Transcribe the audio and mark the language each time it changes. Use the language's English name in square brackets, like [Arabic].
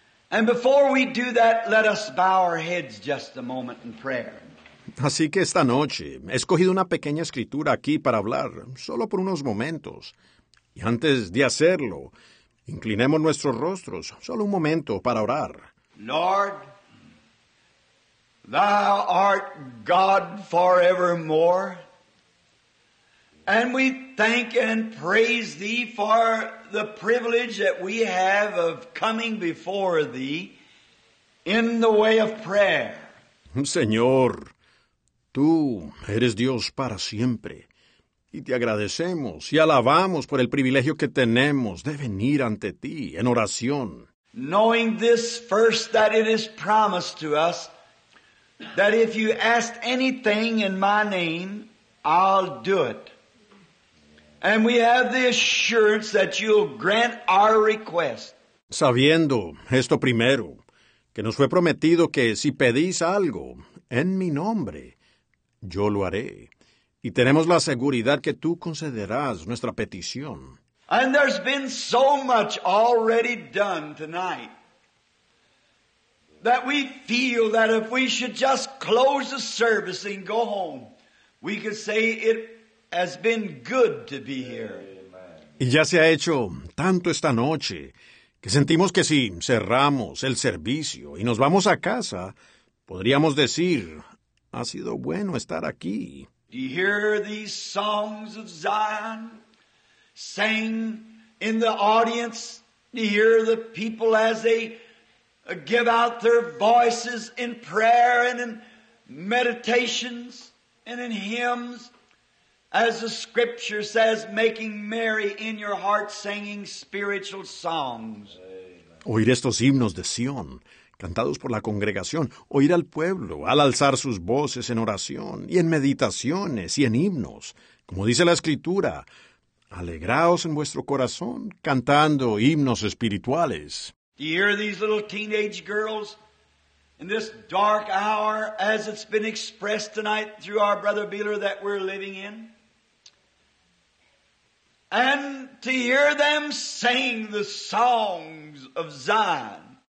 [English] And before we do that, let us bow our heads just a moment in prayer. [Spanish] Así que esta noche he escogido una pequeña escritura aquí para hablar, solo por unos momentos. Y antes de hacerlo, inclinemos nuestros rostros, solo un momento para orar. [English] Lord, Thou art God forevermore, and we thank and praise Thee for the privilege that we have of coming before Thee in the way of prayer. [Spanish] Señor, Tú eres Dios para siempre, y te agradecemos y alabamos por el privilegio que tenemos de venir ante ti en oración. [English] Knowing this first, that it is promised to us, that if you ask anything in my name, I'll do it. And we have the assurance that you'll grant our request. [Spanish] Sabiendo esto primero, que nos fue prometido que si pedís algo en mi nombre, yo lo haré, y tenemos la seguridad que tú concederás nuestra petición. [English] And there's been so much already done tonight that we feel that if we should just close the service and go home, we could say it has been good to be here. [Spanish] Y ya se ha hecho tanto esta noche que sentimos que si cerramos el servicio y nos vamos a casa, podríamos decir, ha sido bueno estar aquí. [English] Do you hear these songs of Zion sang in the audience? Do you hear the people as they give out their voices in prayer and in meditations and in hymns? As the scripture says, making merry in your heart, singing spiritual songs. [Spanish] Oír estos himnos de Sion, cantados por la congregación, oír al pueblo al alzar sus voces en oración y en meditaciones y en himnos. Como dice la Escritura, alegraos en vuestro corazón cantando himnos espirituales. [English] Do you hear these little teenage girls in this dark hour, as it's been expressed tonight through our brother Beeler that we're living in? And to hear them sing the songs of Zion.